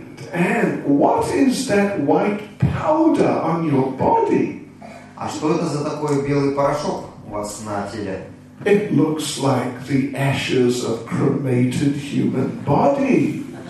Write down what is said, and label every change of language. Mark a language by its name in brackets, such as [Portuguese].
[English] And what is that white powder on your body? [Russian] А что это за такой белый порошок у вас на теле? [English] It looks like the ashes of cremated human body.